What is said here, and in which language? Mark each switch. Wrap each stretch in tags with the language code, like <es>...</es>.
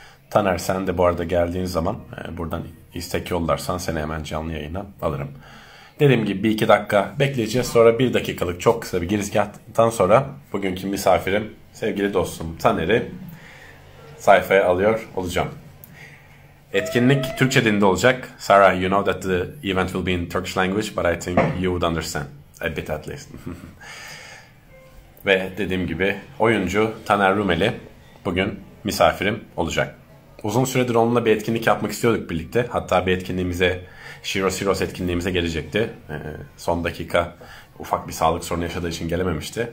<tr>Taner sen de bu arada geldiğin zaman buradan istek yollarsan seni hemen canlı yayına alırım. Dediğim gibi 1-2 dakika bekleyeceğiz. Sonra 1 dakikalık çok kısa bir girizgahtan sonra bugünkü misafirim, sevgili dostum Taner'i sayfaya alıyor olacağım. Etkinlik Türkçe dilinde olacak.</tr> <en>Sarah, you know that the event will be in Turkish language, but I think you would understand a bit at least.</en> <tr>Ve dediğim gibi oyuncu Taner Rumeli bugün misafirim olacak. Uzun süredir onunla bir etkinlik yapmak istiyorduk birlikte. Hatta bir etkinliğimize, Shiro Siros etkinliğimize gelecekti. Son dakika ufak bir sağlık sorunu yaşadığı için gelememişti.</tr>